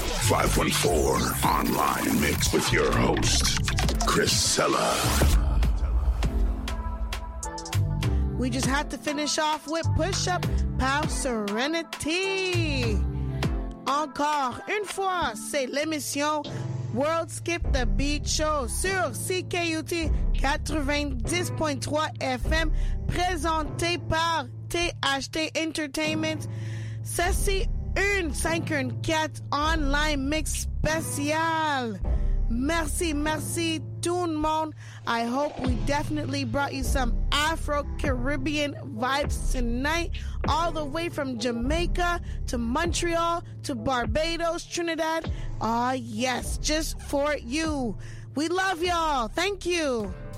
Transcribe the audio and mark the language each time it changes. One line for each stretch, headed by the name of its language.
English: 514 online mix with your host, Chris Sella. We just had to finish off with Push Up, Pow Serenity.
French: Encore une fois, c'est l'émission World Skip the Beat Show sur CKUT 90.3 FM, présenté par THT Entertainment. Ceci une 514 online mix spécial. Merci, merci
English: tune, Moan. I hope we definitely brought you some Afro-Caribbean vibes tonight, all the way from Jamaica to Montreal to Barbados, Trinidad. Ah, yes, just for you. We love y'all. Thank you.